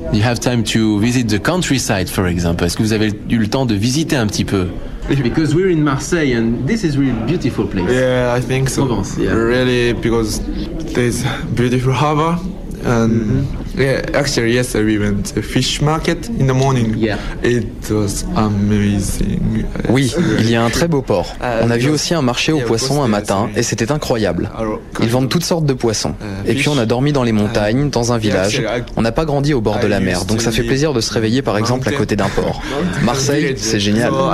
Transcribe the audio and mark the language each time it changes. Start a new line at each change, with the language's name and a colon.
English: Do you have time to visit the countryside, for example?
French: Est-ce que vous avez eu le temps de visiter un petit peu?
English: Because we're in Marseille and this is really beautiful place. Yeah, I think so. Provence, yeah. Really, because there's beautiful harbor and actually yesterday we went to fish market in the morning. Yeah. It was amazing.
French: Oui, il y a un très beau port. On a vu aussi un marché aux poissons un matin et c'était incroyable. Ils vendent toutes sortes de poissons. Et puis on a dormi dans les montagnes, dans un village. On n'a pas grandi au bord de la mer, donc ça fait plaisir de se réveiller par exemple à côté d'un port. Marseille, c'est génial.